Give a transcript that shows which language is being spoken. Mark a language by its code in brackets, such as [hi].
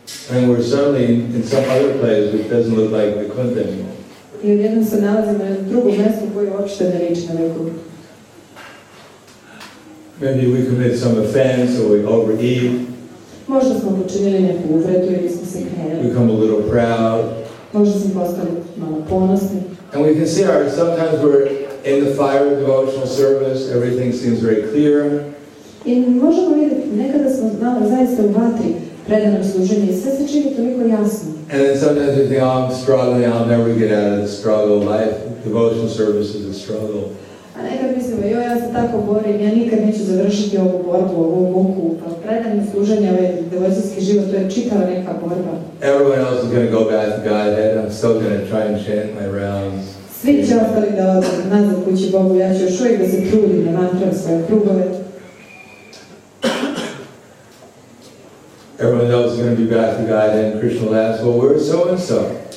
[en] And we're certainly in some other place which doesn't look like Vaikuntha anymore. Maybe we commit some offense or we overeat. [sr] Možda smo počinili neku uvredu ili smo se kajali. [en] Become a little proud. [sr] Možda smo postali malo ponosni. [en] And we can see our, sometimes we're in the fire of devotional service, everything seems very clear. [sr] I možemo vidjeti, nekada smo zaista u vatri predanom služenju i sve se čini toliko jasno. [en] And then sometimes we think, oh, I'm struggling, I'll never get out of the struggle. Life, devotional service is a struggle. [sr] A nekad mislimo, joj, ja se tako borim, ja nikad neću završiti ovu borbu, ovu muku. Pa predanje služenja, ovaj devojčanski život, to je čitava neka borba. [en] Everyone else is going to go back to Godhead, I'm still going to try and chant my rounds. [sr] Svi će ostali da odu nazad kući Bogu, ja ću još uvijek da se trudim, da mantram svoje krugove. [en] Everyone else is going to be back to God, and Krishna will ask, well, where is so-and-so?